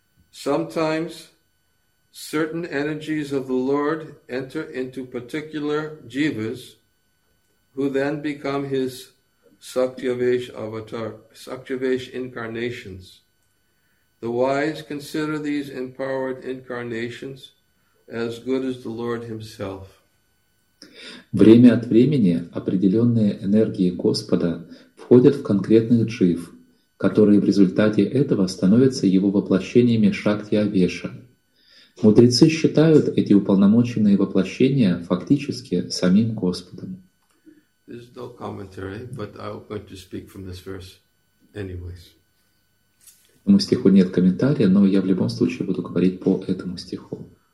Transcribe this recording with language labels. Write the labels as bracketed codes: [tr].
[en] Sometimes certain energies of the Lord enter into particular jivas who then become his Satyavesh avatar, Satyavesh incarnations. The wise consider these empowered incarnations as good as the Lord Himself. [ru] Время от времени определенные энергии Господа входят в конкретных джив, которые в результате этого становятся Его воплощениями Шакти Авеша. Мудрецы считают эти уполномоченные воплощения фактически самим Господом. [en] This is no commentary, but I'm going to speak from this verse anyways. [ru] Этому стиху нет комментария, но я в любом случае буду говорить по этому стиху.